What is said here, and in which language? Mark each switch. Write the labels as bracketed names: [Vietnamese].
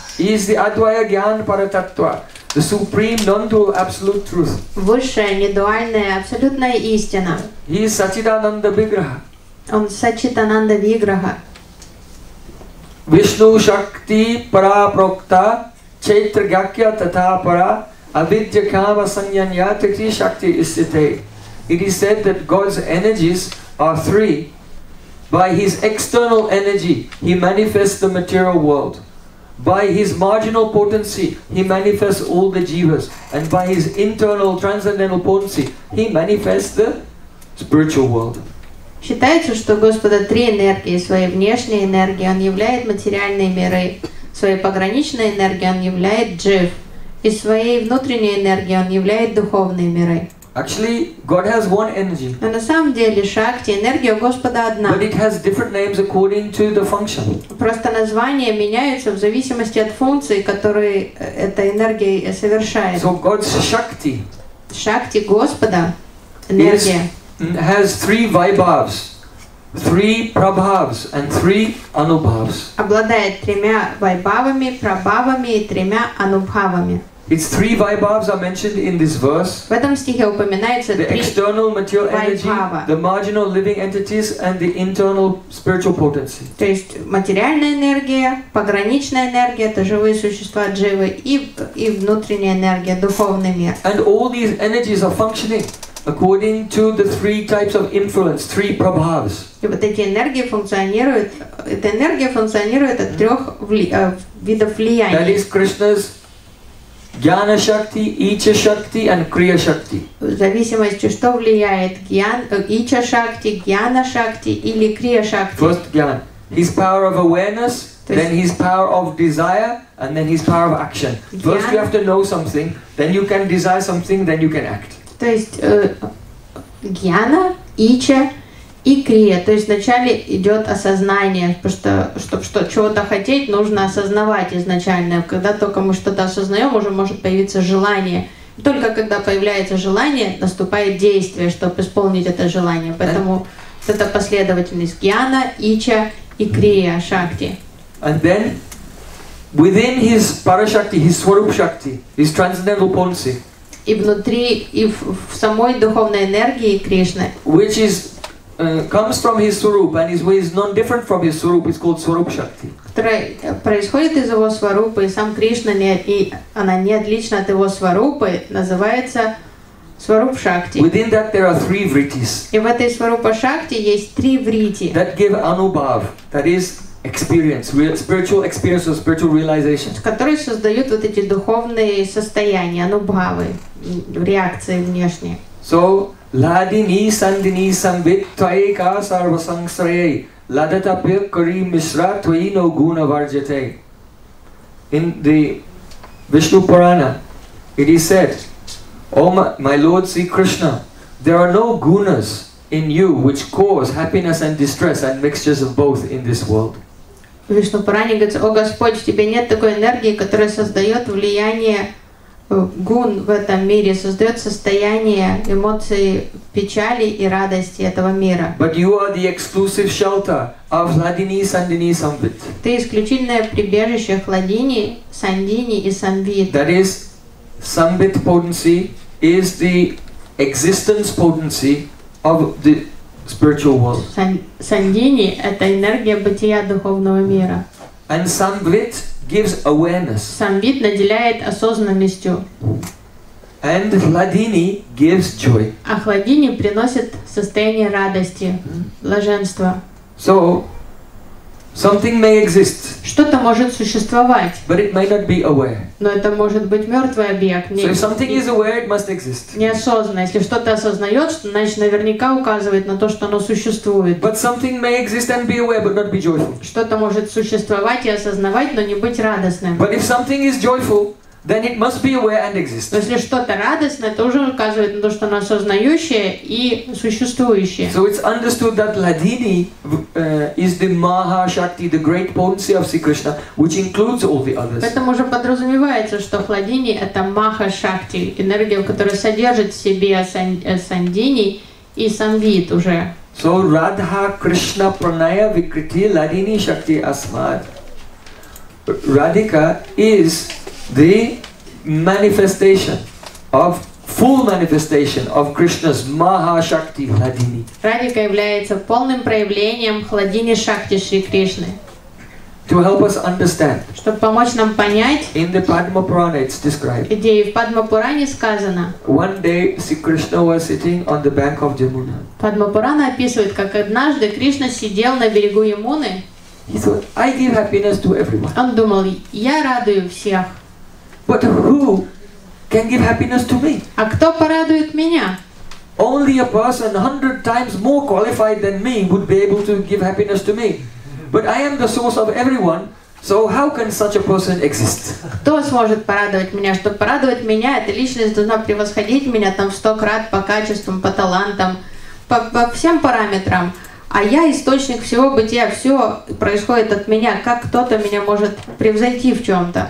[English] He is the Advaya Gyan Paratattva, the supreme non-dual absolute truth. [Russian] Высшая, недуальная, абсолютная истина. [English] He is Сачидананда Виграха. [Russian] Он Сачидананда Виграха. [Sanskrit] Вишну Шакти Парапрокта Чайтра Гакья Тата Пара Авидья Кама Саньянья Трити Шакти Исите. [English] It is said that God's energies are three. By his external energy, he manifests the material world. By his marginal potency, he manifests all the jivas. And by his internal transcendental potency, he manifests the spiritual world. [Russian] Считается, что у Господа три энергии, свои внешние энергии, он являет материальные миры. Своей пограничной энергией он являет джив. И своей внутренней энергией он являет духовные миры. [English] Actually, God has one energy. [Russian] Но на самом деле Шакти, энергия Господа одна. [English] But it has different names according to the function. [Russian] Просто названия меняются в зависимости от функции, которые эта энергия совершает. [English] So God's Shakti. [Russian] Шакти Господа, энергия. [English] Has three vibhavs, three prabhavs, and three anubhavs. [Russian] Обладает тремя вайбавами, прабавами и тремя анубхавами. [English] Its three vibhavs are mentioned in this verse. [Russian] В этом стихе упоминается [English] the external material energy, the marginal living entities, and the internal spiritual potency. [Russian] То есть материальная энергия, пограничная энергия, это живые существа дживы, и внутренняя энергия, духовный мир. [English] And all these energies are functioning according to the three types of influence, three prabhavs. [Russian] И вот эти энергии функционируют, эта энергия функционирует от трех видов влияния. [English] That is Krishna's Jnana Shakti, Icha Shakti, and Kriya Shakti. [Russian] В зависимости, что влияет, Icha Shakti, Jnana Shakti, или Kriya Shakti. [English] First, Jnana. His power of awareness, then his power of desire, and then his power of action. First, you have to know something, then you can desire something, then you can act. [Russian] То есть Jnana, Icha и Kriya. То есть вначале идет осознание, потому что чтобы чего-то хотеть, нужно осознавать изначально. Когда только мы что-то осознаем, уже может появиться желание. Только когда появляется желание, наступает действие, чтобы исполнить это желание. Поэтому вот это последовательность Jnana, Icha и Kriya, Shakti. [English] And then within his Parashakti, his Swarup Shakti, his transcendental potency. [Russian] И внутри, и в самой духовной энергии Кришны. [English] Which is comes from his Swarup and his way is not different from his Swarup, it's called Swarup Shakti. [Russian] Которая происходит из его Сварупы, и сам Кришна не, и она не отлична от его Сварупы, называется Swarup Shakti. [English] Within that there are three vrittis. [Russian] И в этой Swarupa Shakti есть три vritti. [English] That give anubhav, that is experience, real, spiritual experience or spiritual realization. [Russian] Которые создают вот эти духовные состояния, анубхавы, реакции внешние. [Sanskrit] So, ladini sandini samvit tvai ka sarva sangsraye ladata pyakari mishra tvai no guna varjate. [English] In the Vishnu Purana, it is said, O my Lord Sri Krishna, there are no gunas in you which cause happiness and distress and mixtures of both in this world. [Russian] Вишну Пуране говорится, о Господь, в Тебе нет такой энергии, которая создает влияние гун в этом мире, создает состояние эмоций печали и радости этого мира. [English] But you are the exclusive shelter of Ladini, Sandini, Samvit. [Russian] Ты исключительное прибежище Ладини, Сандини и Самвит. [English] That is, Samvit potency is the existence potency of the spiritual world. [Russian] Сандини это энергия бытия духовного мира. [English] And Samvit gives awareness. [Russian] Самвит наделяет осознанностью. [English] And Ladini gives joy. [Russian] А Хладини приносит состояние радости, блаженства. [English] So something may exist. [Russian] Что-то может существовать. [English] But it may not be aware. [Russian] Но это может быть мертвый объект. [English] So if something is aware, it must exist. [Russian] Неосознанно. Если что-то осознает, значит наверняка указывает на то, что оно существует. [English] But something may exist and be aware, but not be joyful. [Russian] Что-то может существовать и осознавать, но не быть радостным. [English] But if something is joyful, then it must be aware and exist. [Russian] Если что-то радостное, то уже указывает на то, что оно осознающее и существующее. [English] So it's understood that Ladini is the Maha Shakti, the great potency of Sri Krishna, which includes all the others. [Russian] Поэтому уже подразумевается, что Хладини это Маха Шакти, энергия, которая содержит в себе Сандини и Самвит уже. [Sanskrit] So Radha Krishna Pranaya Vikriti Ladini Shakti Asmad. [English] Radhika is the manifestation of full manifestation of Krishna's Maha Shakti Ladini. [Russian] Radhika является полным проявлением Хладини Шакти Шри Кришны. [English] To help us understand. [Russian] Чтобы помочь нам понять. [English] In the Padma Purana it's described. [Russian] Где в Падма Пуране сказано. [English] One day Sri Krishna was sitting on the bank of Yamuna. [Russian] Падма Пурана описывает, как однажды Кришна сидел на берегу Ямуны. [English] He thought, I give happiness to everyone. [Russian] Он думал, я радую всех. [English] But who can give happiness to me? [Russian] А кто порадует меня? [English] Only a person 100 times more qualified than me would be able to give happiness to me. But I am the source of everyone, So how can such a person exist? [Russian] Кто сможет порадовать меня? Чтобы порадовать меня, эта личность должна превосходить меня там в 100 крат по качествам, по талантам, по всем параметрам. А я источник всего бытия, все происходит от меня. Как кто-то меня может превзойти в чем-то?